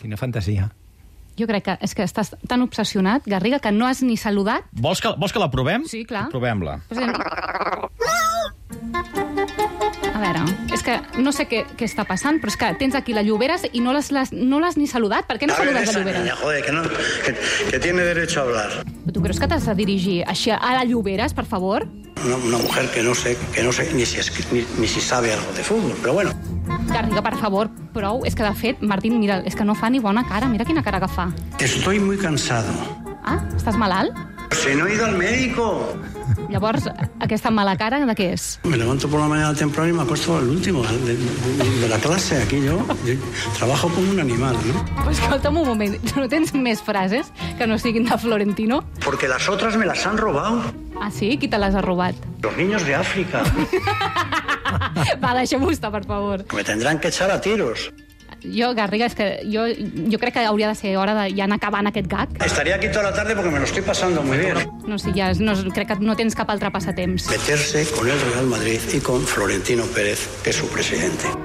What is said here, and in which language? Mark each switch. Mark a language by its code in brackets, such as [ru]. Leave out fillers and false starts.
[ca] Quina fantasia. Jo crec que és que estàs tan obsessionat, Garriga, que no has ni saludat. Vols que la provem? Sí, clar. Provem-la. A veure, és que no sé què està passant, però és que tens aquí les lloberes i no les ni saludat. Per què no saludes les lloberes? [es] Niña, joder, que no, que tiene derecho a hablar. [ca] Tu creus que t'has de dirigir així a les lloberes, per favor? [es] Una mujer que no sé ni si sabe algo de fútbol, pero bueno. [ca] Garriga, per favor, prou. És que, de fet, Martín, mira, és que no fa ni bona cara. Mira quina cara que fa. [es] Estoy muy cansado. [ca] Ah, estàs malalt? [es] Si no he ido al médico. [ca] Llavors, aquesta mala cara, de què és? [es] Me levanto por la mañana temprano y me acuesto al último de la clase, aquí yo. Trabajo como un animal, ¿no? [ca] Pues escolta'm un moment, no tens més frases que no siguin de Florentino? [es] Porque las otras me las han robado. [ca] Ah, sí? Qui te les ha robat? [es] Los niños de África. [ca] Va, deixa-m'ho estar, per favor. [es] Me tendrán que echar a tiros. [ca] Jo, Garriga, és que jo crec que hauria de ser hora de ja anar acabant aquest gag. [es] Estaría aquí toda la tarde porque me lo estoy pasando muy bien. [ca] No, sí, ja, no, crec que no tens cap altre passatemps. [es] Meterse con el Real Madrid y con Florentino Pérez, que es su presidente.